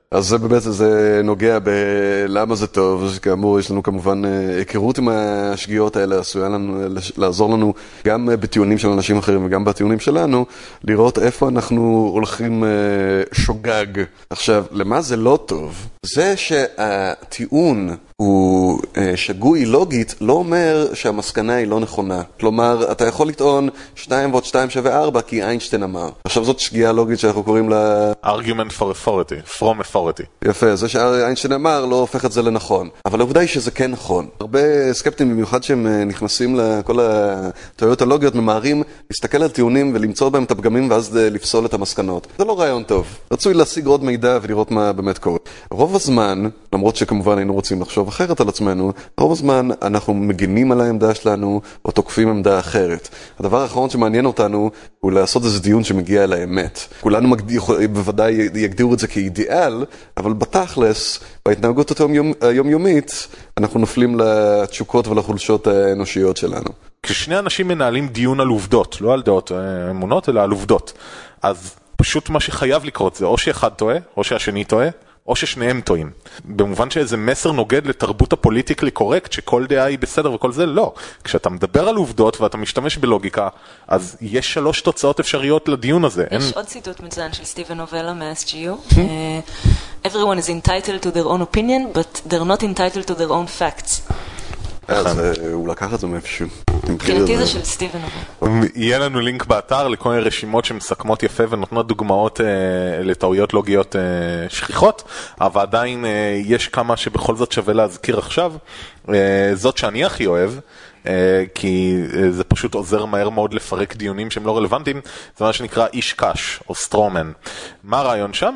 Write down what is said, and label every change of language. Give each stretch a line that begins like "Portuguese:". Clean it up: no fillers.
Hebrew: אז זה באמת, זה נוגע בלמה זה טוב, וכאמור, יש לנו כמובן היכרות עם השגיאות האלה, עשויה לנו, לעזור לנו גם בטיעונים של אנשים אחרים וגם בטיעונים שלנו, לראות איפה אנחנו הולכים שוגג. עכשיו, למה זה לא טוב? זה שהטיעון הוא שגוי לוגית, לא אומר שהמסקנה היא לא נכונה. כלומר, אתה יכול לטעון 2 ועוד 2 שווה 4, כי איינשטיין אמר. עכשיו, זאת שגיאה לוגית שאנחנו קוראים לה...
English: argument for authority, from authority.
Hebrew: יפה, זה שאיינשטיין אמר לא הופך את זה לנכון. אבל העובדה היא שזה כן נכון. הרבה סקפטים, במיוחד שהם נכנסים לכל התיאוריות הלוגיות, ממהרים להסתכל על טיעונים ולמצוא בהם את הפגמים, ואז לפסול את המסקנות. זה לא רעיון טוב. רצוי להשיג עוד מידע ולראות מה באמת קורה. רוב הזמן, למרות שכמובן היינו רוצים לחשוב אחרת על עצמנו, רוב הזמן אנחנו מגינים על העמדה שלנו או תוקפים עמדה אחרת. הדבר האחרון שמעניין אותנו הוא לעשות איזה דיון שמגיע אל האמת. כולנו בוודאי יגדירו את זה כאידיאל, אבל בתכלס, בהתנהגות היומיומית, אנחנו נופלים לתשוקות ולחולשות האנושיות שלנו. כששני אנשים מנהלים דיון על עובדות, לא על דעות אמונות, אלא על עובדות, אז פשוט מה שחייב לקרות זה או שאחד טועה, או שהשני טועה, או ששניהם טועים. במובן שאיזה מסר נוגד לתרבות הפוליטיקלי קורקט, שכל דעה היא בסדר וכל זה, לא. כשאתה מדבר על עובדות ואתה משתמש בלוגיקה, אז יש שלוש תוצאות אפשריות לדיון הזה. יש עוד ציטוט מצוין של סטיבן נובלה מה-SGU.
English: Everyone is entitled to their own opinion, but they're not entitled to their own facts.
Hebrew: הוא לקח את זה מאיפשהו. מבחינתי זה של סטיבן נובלה. יהיה לנו לינק באתר לכל מיני רשימות שמסכמות יפה ונותנות דוגמאות לטעויות לוגיות שכיחות, אבל עדיין יש כמה שבכל זאת שווה להזכיר עכשיו. זאת שאני הכי אוהב, כי זה פשוט עוזר מהר מאוד לפרק דיונים שהם לא רלוונטיים, זה מה שנקרא איש קש או סטרומן. מה הרעיון שם?